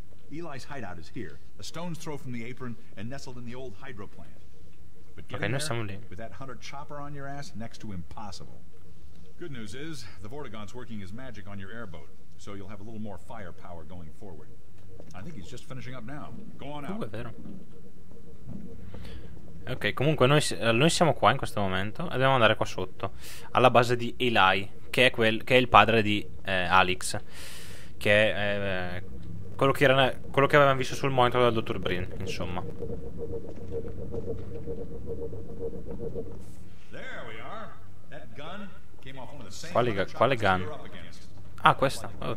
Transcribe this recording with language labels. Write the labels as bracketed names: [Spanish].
[English] Eli's hideout is here, a stone's throw from the apron and nestled in the old hydro plant. But okay, no, there, with that hunter chopper on your ass, next to impossible. Good news is, the Vortigaunt's working his magic on your airboat, so you'll have a little more firepower going forward. I think he's just finishing up now. Go on out. [Italian] È vero. Ok, comunque noi siamo qua in questo momento e dobbiamo andare qua sotto, alla base di Eli, che è il padre di Alex, che è quello che avevamo visto sul monitor del dottor Brin, insomma. [English] There we are. That gun came off one of the same. [Italian] Quale gun? Ah, questa.